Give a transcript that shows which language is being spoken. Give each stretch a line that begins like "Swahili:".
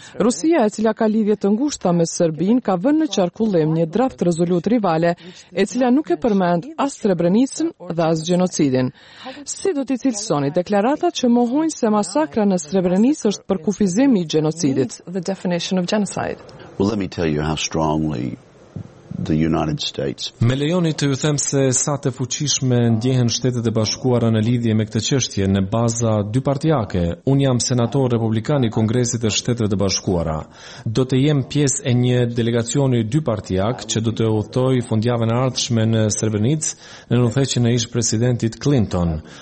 Albanian: Rusia, e cila ka lidhje të ngushta me Serbinë, ka vënë në qarkullim një draft rezolutë rivale e cila nuk e përmend as Srebrenicën dhe as gjenocidin. Si do t'i cilësoni deklaratat që mohojnë se masakra në Srebrenicë është përkufizim i gjenocidit?
English: Well, let me tell you how strongly the United States.
Albanian: Me lejoni të ju them se sa të fuqishme ndjehen Shtetet e Bashkuara në lidhje me këtë çështje në baza dypartiake. Un jam senator republikan i Kongresit të Shteteve të Bashkuara. Do të jem pjesë e një delegacioni dypartiak që do të udhëtoj fundjavën e ardhshme në Srebrenicë në udhëheqjen e ish presidentit Clinton.